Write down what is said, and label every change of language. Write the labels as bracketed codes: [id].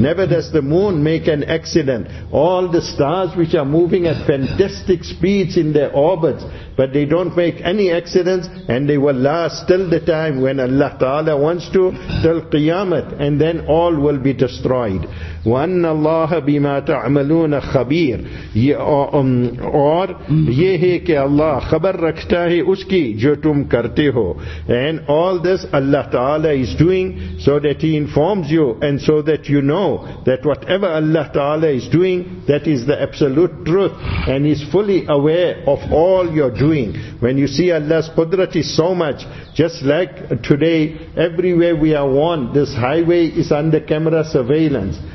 [en] Never does the moon make an accident. All the stars which are moving at fantastic speeds in their orbits, but they don't make any accidents, and they will last till the time when Allah Ta'ala wants to, till Qiyamah, and then all will be destroyed. [ar] وَأَنَّ اللَّهَ بِمَا تَعْمَلُونَ خَبِيرٌ [ur] اور یہ ہے کہ اللہ خبر رکھتا ہے اس کی جو تم کرتے ہو. [en] And all this Allah Ta'ala is doing so that He informs you and so that you know that whatever Allah Ta'ala is doing, that is the absolute truth, and is fully aware of all your doing. When you see Allah's Qudrat is so much, just like today, everywhere we are warned, this highway is under camera surveillance.